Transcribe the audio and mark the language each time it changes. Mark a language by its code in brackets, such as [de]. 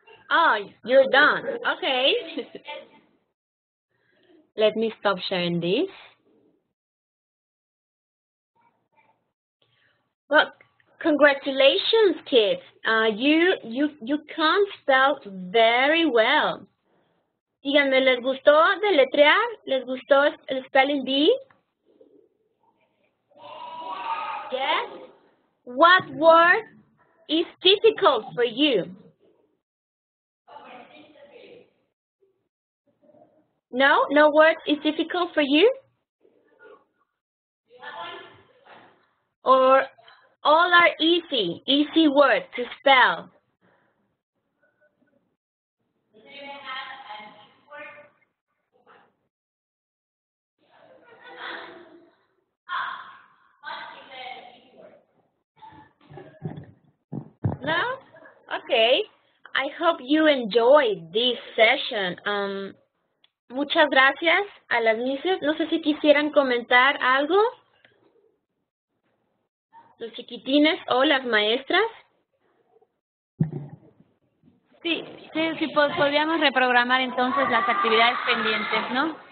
[en] Oh, you're done. Okay. Let me stop sharing this. Well, congratulations, kids. You can spell very well. [es] Díganme, ¿les gustó deletrear? ¿Les gustó el spelling bee? [en] Yes. What word is difficult for you? No, no word is difficult for you? Or all are easy, easy words to spell. No? Okay. I hope you enjoyed this session. [es] Muchas gracias a las misses. No sé si quisieran comentar algo. ¿Los chiquitines o las maestras? Sí, sí, sí, pues podríamos reprogramar entonces las actividades pendientes, ¿no?